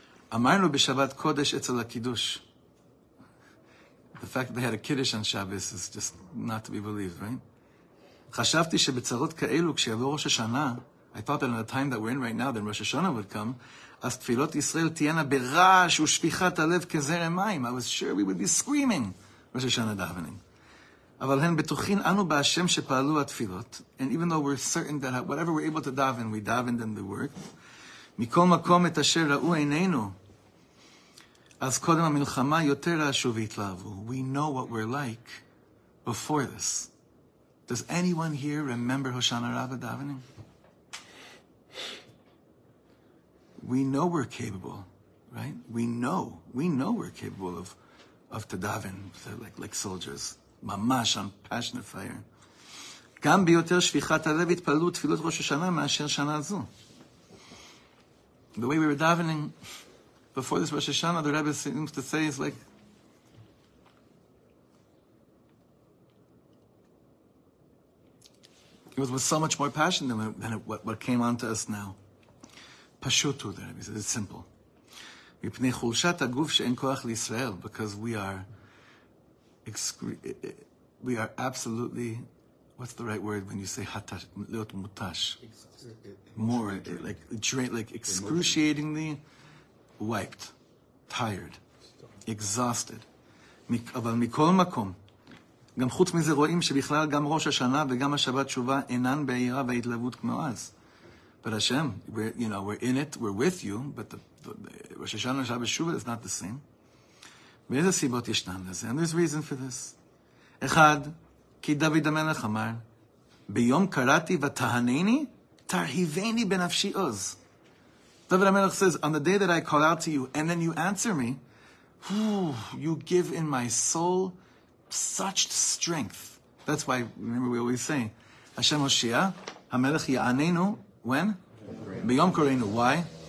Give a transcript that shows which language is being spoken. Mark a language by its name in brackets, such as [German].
[Hebrew] Amarnu b'shabbat kodesh etzel hakiddush. [English] The fact that they had a Kiddush on Shabbos is just not to be believed, right? [Hebrew] חשבתי שבצרות כאלו, כשיבוא ראש השנה, [English] I thought that in the time that we're in right now, then Rosh Hashanah would come, [Hebrew] אז תפילות ישראל תהיינה ברעש ושפיכת הלב כזרם מים. [English] I was sure we would be screaming, Rosh Hashanah davening. [Hebrew] אבל הן בטוחין אנו בהשם שפעלו התפילות, [English] and even though we're certain that whatever we're able to daven, we davened and they worked, [Hebrew] מכל מקום את אשר ראו עינינו, אז קודם המלחמה יותר רעשו והתלהבו. [English] We know what we're like before this. Does anyone here remember Hoshana Rabbah davening? We know we're capable, right? We know we're capable of to daven like soldiers. Mamash on passionate fire. [Hebrew] גם ביותר שפיכת הלב התפללו תפילות ראש השנה מאשר שנה זו. [English] The way we were davening before this Rosh Hashanah, the Rebbe seems to say, it's like, it was with so much more passion than what came onto us now. pashutu there. He says it's simple. [Hebrew] Mipnei chulshat aguf she'en koach liYisrael, [English] because we are absolutely, what's the right word when you say hatash, leot mutash? More like excruciatingly wiped, tired, exhausted. [Hebrew] אבל מכל מקום, גם חוץ מזה רואים שבכלל גם ראש השנה וגם השבת תשובה אינן בעירה והתלוות כמו אז. [English] But Hashem, we're in it, we're with you, but the Rosh Hashanah and Shabbat Shuvah is not the same. [Hebrew] ואיזה סיבות ישנן לזה? [English] And there's reason for this. [Hebrew] אחד, כי דוד המלך אמר, ביום קראתי ותהנני, תרהיבני בנפשי עוז. [English] דוד המלך says, on the day that I call out to you, and then you answer me, you give in my soul such strength. That's why, remember we always say, [Hebrew] Hashem Hoshia, HaMelech Ya'aneinu, [English] when? Beyom Koreinu, why?